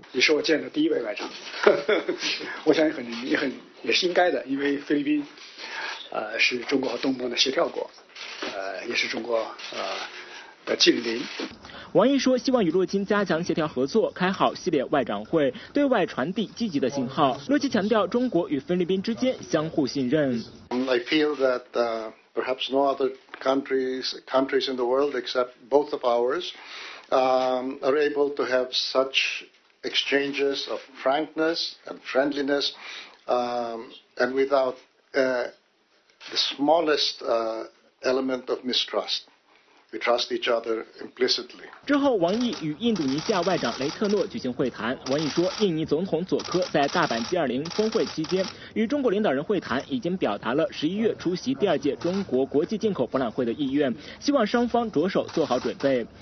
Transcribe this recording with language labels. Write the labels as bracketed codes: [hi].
[zh] 你是我见的第一位外长，我想也是应该的，因为菲律宾，是中国和东盟的协调国，也是中国的近邻。王毅说，希望与洛钦加强协调合作，开好系列外长会，对外传递积极的信号。洛钦强调，中国与菲律宾之间相互信任。 [en] I feel that perhaps no other countries in the world except both of ours are able to have such exchanges of frankness and friendliness and without the smallest element of mistrust. We trust each other implicitly. [zh] 之后，王毅与印度尼西亚外长雷特诺举行会谈。王毅说，印尼总统佐科在大阪 G20 峰会期间与中国领导人会谈，已经表达了11月出席第二届中国国际进口博览会的意愿，希望双方着手做好准备。